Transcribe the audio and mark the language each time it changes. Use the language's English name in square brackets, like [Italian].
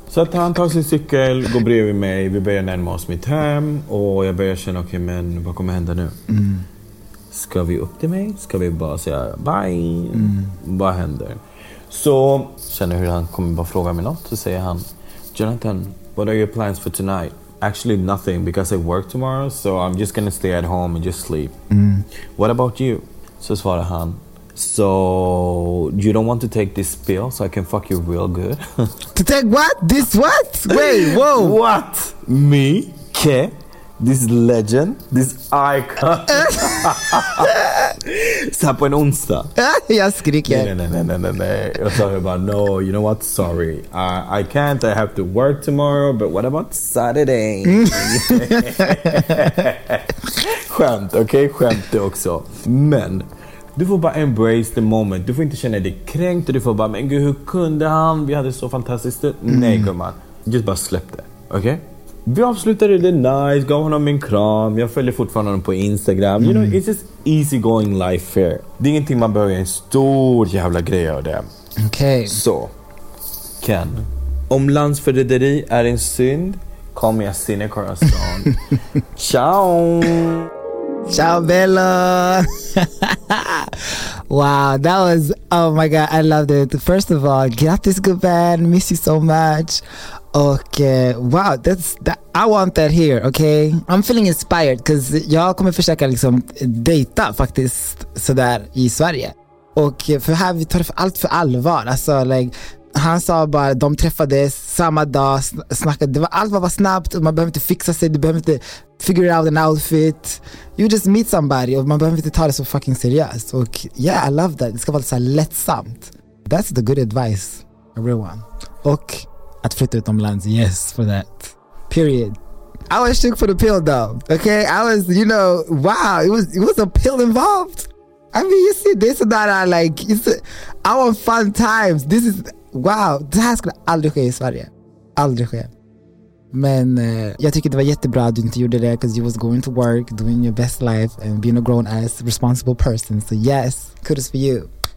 [Swedish] Så att han tar sin cykel, går bredvid mig, vi börjar närma oss mitt hem. Och jag börjar känna, okej, okay, men vad kommer hända nu? Ska vi upp till mig? Ska vi bara säga bye? Vad händer? Så känner hur han kommer bara fråga mig något. Så säger han, Jonathan, [English] what are your plans for tonight? Actually nothing, because I work tomorrow, so I'm just gonna stay at home and just sleep. What about you? [Swedish] Så svarar han, [English] So you don't want to take this pill so I can fuck you real good? To take what? This what? Wait, whoa. What? Me? Ke? This legend? This icon? [Swedish] Så på en onsdag. Jag skriker. Nej. Jag sa bara, [English] no, you know what? Sorry. I can't. I have to work tomorrow. But what about Saturday? [Swedish] Skämt, okej? Okay? Skämt det också. Men du får bara [English] embrace the moment. [Swedish] Du får inte känna dig kränkt. Och du får bara, men gud, hur kunde han? Vi hade så fantastiskt. Nej, gumman. Just bara släpp det. Okej? Okay? Vi avslutade det nice. Gav honom min kram. Jag följer fortfarande honom på Instagram. [English] You know, it's just easy going life here. [Swedish] Det är ingenting man behöver göra. En stor jävla grej av det. Okej. Okay. Så, Ken. Om landsförräderi är en synd, kom jag sinne korrasan. [Italian] Ciao. Ciao, Bella. [English] Wow, that was, oh my god, I loved it. First of all, [Swedish] grattis gubben, [English] miss you so much. Okay, wow, that's that, I want that here, okay? I'm feeling inspired because [Swedish] jag kommer försöka liksom dejta faktiskt så där i Sverige. Och för här vi tar det allt för allvar, alltså like han sa bara, de träffades samma dag, snackade, det var allt var snabbt och man behöver inte fixa sig, du behöver inte [English] figure out an outfit. You just meet somebody [Swedish] och man behöver inte ta det så fucking seriöst. Och yeah, [English] I love that. [Swedish] Det ska vara så här lättsamt. [English] That's the good advice, everyone. [Swedish] Och att flytta utomlands, [English] yes, for that. Period. I was shook for the pill though, okay? I was, you know, wow, it was a pill involved. I mean, you see this and that, I want fun times. This is, wow, [Swedish] det här skulle aldrig ske i Sverige. Aldrig ske. Men jag tycker det var jättebra att du inte gjorde det, [English] because you was going to work, doing your best life and being a grown ass responsible person. So yes, kudos for you.